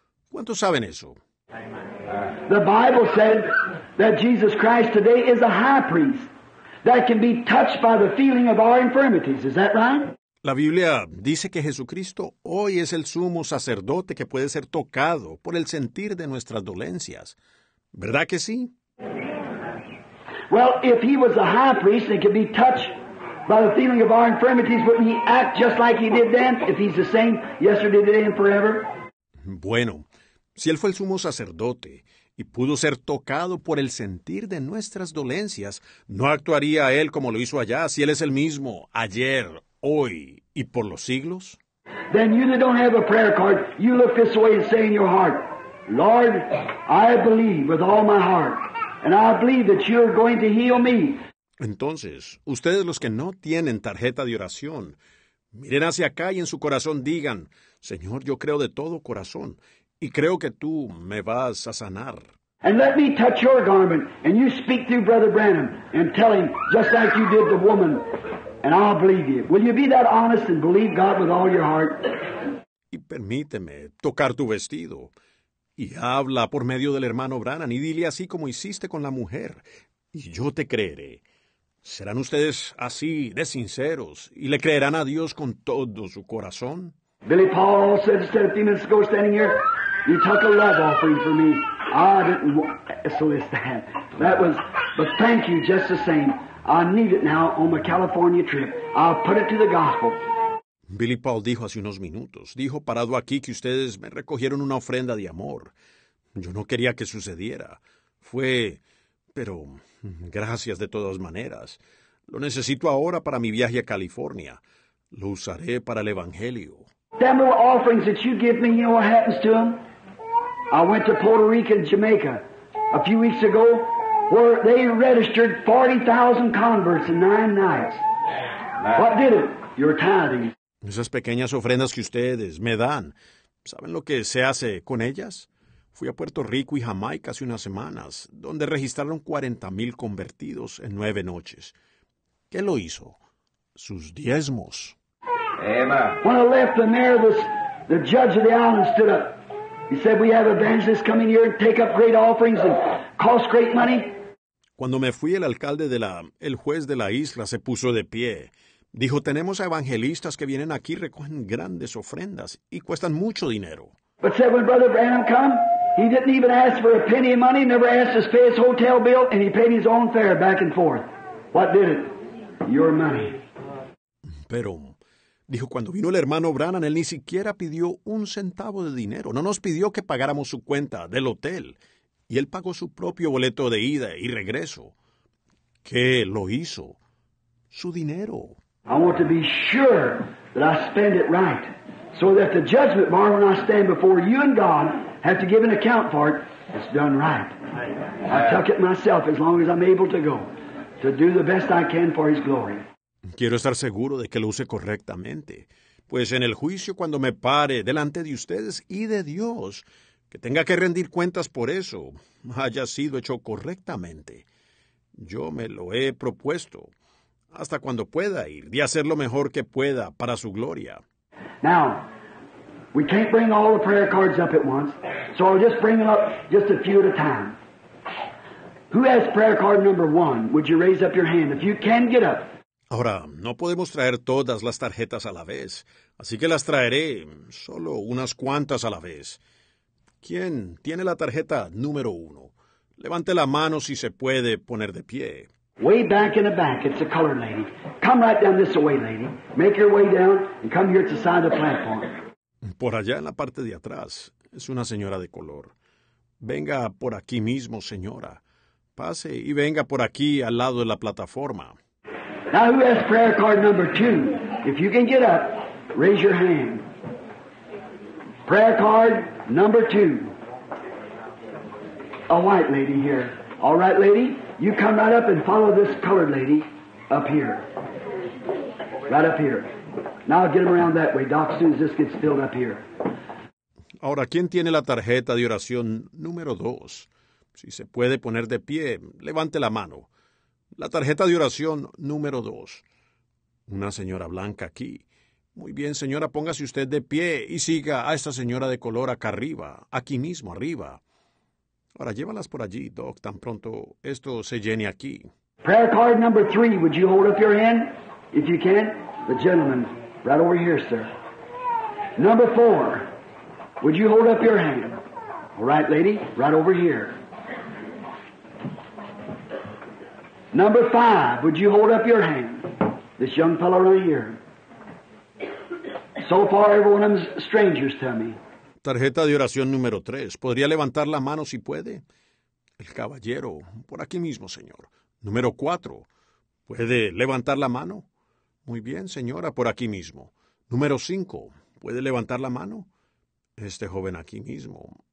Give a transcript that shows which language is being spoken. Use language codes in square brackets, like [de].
[es] ¿Cuántos saben eso? [en] The Bible said that Jesus Christ today is a high priest that can be touched by the feeling of our infirmities. Is that right? [es] La Biblia dice que Jesucristo hoy es el sumo sacerdote que puede ser tocado por el sentir de nuestras dolencias. ¿Verdad que sí? [en] Well, if he was a high priest and could be touched by the feeling of our infirmities, wouldn't he act just like he did then, if he's the same yesterday, today, and forever? [es] Bueno, si él fue el sumo sacerdote y pudo ser tocado por el sentir de nuestras dolencias, ¿no actuaría él como lo hizo allá si él es el mismo ayer, hoy y por los siglos? [en] Then you that don't have a prayer card, you look this way and say in your heart, Lord, I believe with all my heart, and I believe that you're going to heal me. [es] Entonces, ustedes los que no tienen tarjeta de oración, miren hacia acá y en su corazón digan, Señor, yo creo de todo corazón, y creo que tú me vas a sanar. [en] And let me touch your garment, and you speak through Brother Branham, and tell him, just like you did the woman, and I'll believe you. Will you be that honest and believe God with all your heart? [es] Y permíteme tocar tu vestido, y habla por medio del hermano Branham, y dile así como hiciste con la mujer, y yo te creeré. ¿Serán ustedes así de sinceros y le creerán a Dios con todo su corazón? [en] Billy Paul said just a few minutes ago standing here, you took a love offering for me. I didn't solicit that. That was, but thank you just the same. I need it now on my California trip. I'll put it to the gospel. [es] Billy Paul dijo hace unos minutos, dijo parado aquí que ustedes me recogieron una ofrenda de amor. Yo no quería que sucediera. Fue, pero gracias de todas maneras. Lo necesito ahora para mi viaje a California. Lo usaré para el Evangelio. [en] Them little offerings that you give me, you know what happens to them? I went to Puerto Rico and Jamaica a few weeks ago where they registered 40,000 converts in 9 nights. What did it? Your tithing. [es] Esas pequeñas ofrendas que ustedes me dan, ¿saben lo que se hace con ellas? Fui a Puerto Rico y Jamaica hace unas semanas, donde registraron 40,000 convertidos en 9 noches. ¿Qué lo hizo? Sus diezmos. Emma. [en] When I left the mayor, the judge of the island stood up. He said, we have evangelists coming here and take up great offerings and cost great money. [es] Cuando me fui, el juez de la isla se puso de pie. Dijo, tenemos evangelistas que vienen aquí, recogen grandes ofrendas y cuestan mucho dinero. [en] But said, when Brother Branham come, he didn't even ask for a penny of money, never asked his pay his hotel bill, and he paid his own fare back and forth. What did it? Your money. [es] Pero, dijo, cuando vino el hermano Branham, él ni siquiera pidió un centavo de dinero. No nos pidió que pagáramos su cuenta del hotel. Y él pagó su propio boleto de ida y regreso. ¿Qué lo hizo? Su dinero. [en] I want to be sure that I spend it right. So that the judgment bar, when I stand before you and God, have to give an account for it, it's done right. I tuck it myself as long as I'm able to go, to do the best I can for His glory. [es] Quiero estar seguro de que lo use correctamente, pues en el juicio cuando me pare delante de ustedes y de Dios, que tenga que rendir cuentas por eso, haya sido hecho correctamente. Yo me lo he propuesto. hasta cuando pueda ir, de hacer lo mejor que pueda para su gloria. [en] Now, we can't bring all the prayer cards up at once, so I'll just bring them up just a few at a time. Who has prayer card number one? Would you raise up your hand if you can get up? [es] Ahora, no podemos traer todas las tarjetas a la vez, así que las traeré solo unas cuantas a la vez. ¿Quién tiene la tarjeta número uno? Levante la mano si se puede poner de pie. [en] Way back in the back, it's a colored lady. Come right down this way, lady. Make your way down and come here to the side of the platform. [es] Por allá en la parte de atrás, es una señora de color. Venga por aquí mismo, señora. Pase y venga por aquí al lado de la plataforma. [en] Now who has prayer card number two? If you can get up, raise your hand. Prayer card number two. A white lady here. All right, lady, you come right up and follow this colored lady up here. Right up here. Now get them around that way, Doc, as soon as this gets filled up here. [es] Ahora, ¿quién tiene la tarjeta de oración número dos? Si se puede poner de pie, levante la mano. La tarjeta de oración número dos. Una señora blanca aquí. Muy bien, señora, póngase usted de pie y siga a esta señora de color acá arriba, aquí mismo, arriba. Ahora, llévalas por allí, Doc, tan pronto esto se llene aquí. [en] Prayer card number three, would you hold up your hand, if you can? The gentleman, right over here, sir. Number four, would you hold up your hand? All right, lady, right over here. Number five, would you hold up your hand? This young fellow right here. So far, everyone is strangers to me. [es] Tarjeta de oración número tres. ¿Podría levantar la mano si puede? El caballero, por aquí mismo, señor. Número cuatro. ¿Puede levantar la mano? Muy bien, señora, por aquí mismo. Número cinco. ¿Puede levantar la mano? Este joven aquí mismo.